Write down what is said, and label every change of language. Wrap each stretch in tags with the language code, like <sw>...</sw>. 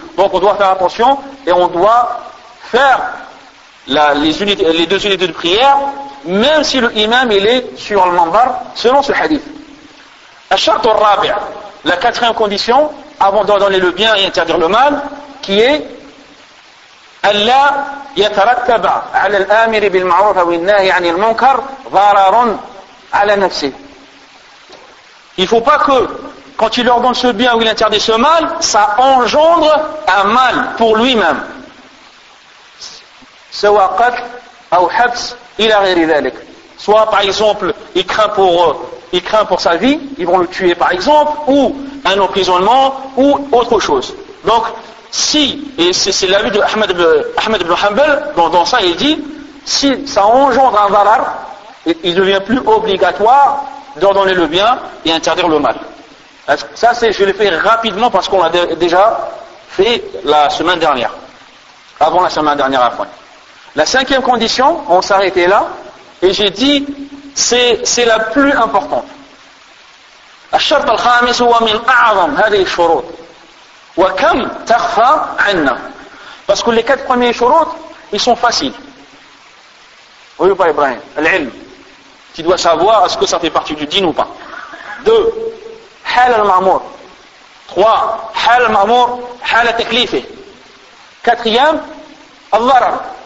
<fr>Donc on doit faire attention et on doit faire les deux unités de prière même si l'imam il est sur le manbar selon ce hadith.</fr> <ar>الشرط الرابع,</ar> <fr>la quatrième condition avant d'ordonner le bien et interdire le mal, qui est</fr> <ar>ألا يترتب على الآمر بالمعروف أو النهي عن المنكر ضرر على نفسه.</ar> <fr>Il faut pas que quand il ordonne ce bien ou il interdit ce mal, ça engendre un mal pour lui-même.</fr> <ar>سواء قتل أو حبس إلى غير ذلك.</ar> <fr>Soit par exemple, il craint pour sa vie, ils vont le tuer par exemple, ou un emprisonnement ou autre chose. Donc si, et c'est l'avis de Ahmed ibn Hanbal, dans ça il dit, si ça engendre un darar, il devient plus obligatoire d'ordonner le bien et interdire le mal. Ça c'est, je l'ai fait rapidement parce qu'on l'a déjà fait la semaine dernière. Avant la semaine dernière à fond. La cinquième condition, on s'arrêtait là, et j'ai dit, c'est la plus importante.</fr> <ar>الشرط الخامس هو من أعظم هذه الشروط. وَكَمْ تَخْفَى عَنَّا.</ar> <fr>Parce que les quatre premiers shurut, ils sont faciles. Oui ou pas Ibrahim? L'ilm. Tu dois savoir est-ce que ça fait partie du din ou pas.</fr> <ar>Deux. حَلَ الْمَعْمُورِ. Trois. حَلَ الْمَعْمُورِ. حَلَ تَكْلِفِ. Quatrième. الظَّرَر.</ar>